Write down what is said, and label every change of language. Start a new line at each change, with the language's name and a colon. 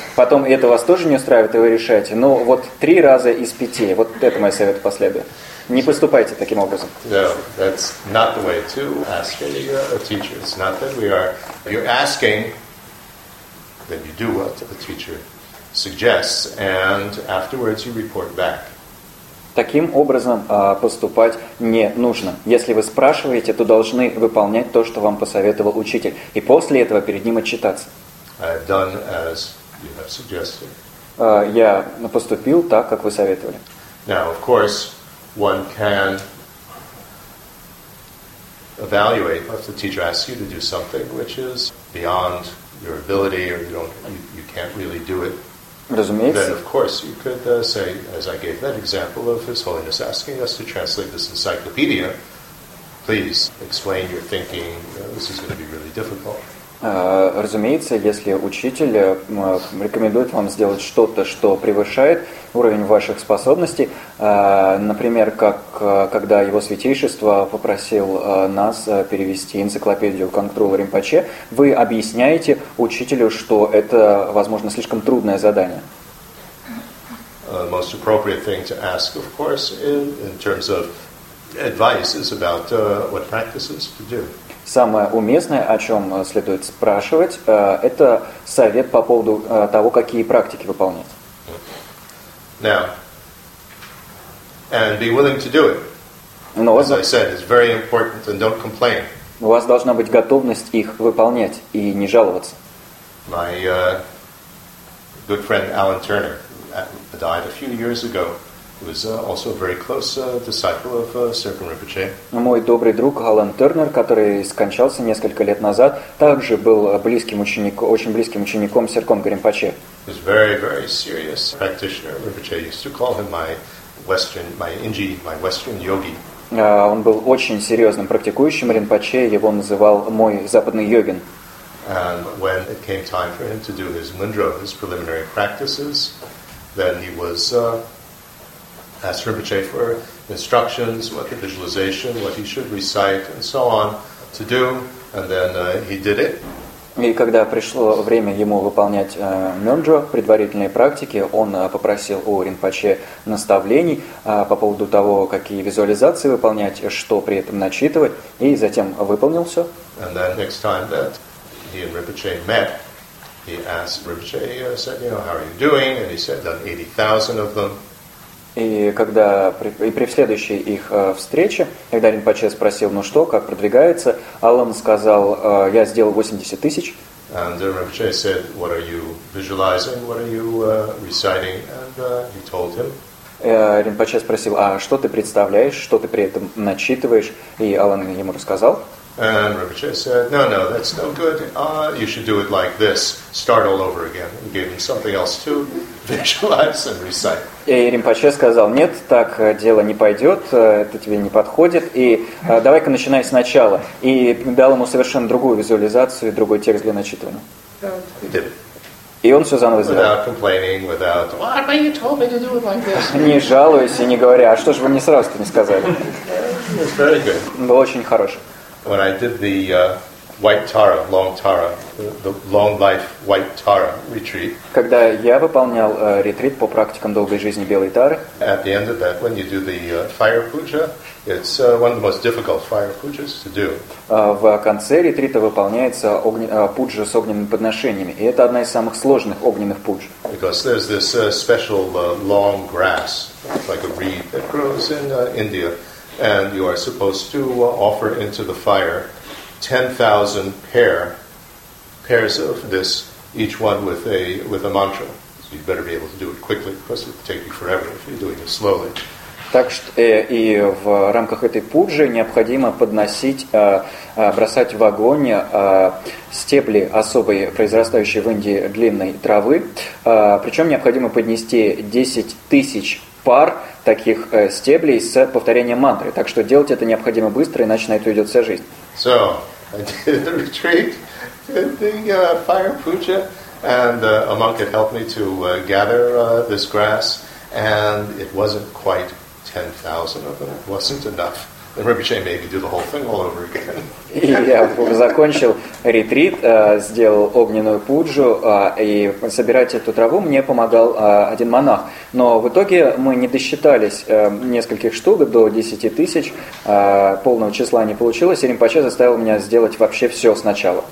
Russian: Потом это вас тоже не устраивает, и вы решаете, ну, вот три раза из пяти. Вот это мой совет последний. Не поступайте таким образом.
English: No, that's not the way to ask any teacher. It's not that we are... If you're asking, then you do what the teacher suggests, and afterwards you report back.
Russian: Таким образом поступать не нужно. Если вы спрашиваете, то должны выполнять то, что вам посоветовал учитель, и после этого перед ним отчитаться.
English: I've done as you have suggested.
Russian: Я поступил так, как вы советовали.
English: Now, of course, one can evaluate if the teacher asks you to do something which is beyond your ability or you can't really do it.
Russian: Разумеется.
English: Then, of course, you could say, as I gave that example of His Holiness asking us to translate this encyclopedia, please explain your thinking, this is going to be really difficult.
Russian: Разумеется, если учитель рекомендует вам сделать что-то, что превышает уровень ваших способностей, например, как когда Его Святейшество попросил нас перевести энциклопедию Контрола Ринпоче, вы объясняете учителю, что это, возможно, слишком трудное задание.
English: Most appropriate thing to ask, of course, in terms of advice is about what practices to do.
Russian: Самое уместное, о чем следует спрашивать, это совет по поводу того, какие практики выполнять.
English: Now, and be willing to do it.
Russian: Но
English: as I said, it's very important, and don't complain.
Russian: У вас должна быть готовность их выполнять и не жаловаться.
English: My good friend Alan Turner died a few years ago. He was also a very close disciple of Serpon Rinpoche.
Russian: Мой добрый друг Алан Тернер, который скончался несколько лет назад, также был близким учеником, очень близким учеником Серпон Ринпоче.
English: He was very, very serious practitioner. Rinpoche used to call him my Western yogi.
Russian: Он был очень серьезным практикующим. Ринпоче его называл мой западный йогин.
English: And when it came time for him to do his mundro, his preliminary practices, then he was asked Rinpoche for instructions, what the visualization, what he should recite, and so on to do, and then he did it.
Russian: И когда пришло время ему выполнять мюнджо, предварительные практики, он попросил у Ринпоче наставлений по поводу того, какие визуализации выполнять, что при этом начитывать, и затем выполнил все.
English: And then next time that he and Rinpoche met, he asked Rinpoche, said, you know, how are you doing? And he said, done 80,000 of them.
Russian: И при следующей их встрече, когда Ринпоче спросил, ну что, как продвигается, Алан сказал, я сделал 80 тысяч.
English: And Ринпоче said, what are you visualizing, what are you reciting? And he told him.
Russian: Ринпоче спросил, а что ты представляешь, что ты при этом начитываешь? И Алан ему рассказал.
English: And Ринпоче said, no, that's no good. You should do it like this. Start all over again. And gave him something else to visualize and recite.
Russian: И Ринпоче сказал, нет, так дело не пойдет, это тебе не подходит, и давай-ка начинай сначала. И дал ему совершенно другую визуализацию, другой текст для начитывания. И он все заново сделал.
English: Without complaining, without, what, but you told me to do it like this.
Russian: Не жалуясь и не говоря, а что же вы мне сразу-то не сказали?
English: It was very good.
Russian: Было очень хорошо.
English: When I did the white Tara, long Tara, the long life white Tara retreat.
Russian: Когда я выполнял ретрит по практикам долгой жизни белой Тары.
English: At the end of that, when you do the fire puja, it's one of the most difficult fire pujas to do.
Russian: В конце ретрита выполняется пуджа с огненными подношениями, и это одна из самых сложных огненных пудж.
English: Because there's this special long grass, like a reed that grows in India, and you are supposed to offer into the fire 10,000 pairs of this, each one with a mantra. So you'd better be able to do it quickly, because it would take you forever if you're doing it slowly.
Russian: Так что и в рамках этой пуджи необходимо бросать в огонь стебли особой, произрастающей в Индии длинной травы. Причем необходимо поднести 10,000 пар таких стеблей с повторением мантры. Так что делать это необходимо быстро, иначе на это уйдет вся жизнь.
English: So, I did the retreat, did the fire puja, and a monk had helped me to gather this grass, and it wasn't quite 10,000 of them. It wasn't enough. Then Ринпоче made me do the whole thing all over again.
Russian: И я закончил ретрит, сделал огненную пуджу, и собирать эту траву мне помогал один монах. Но в итоге мы не досчитались нескольких штук до 10,000, полного числа не получилось, и Ринпоче заставил меня сделать вообще все сначала.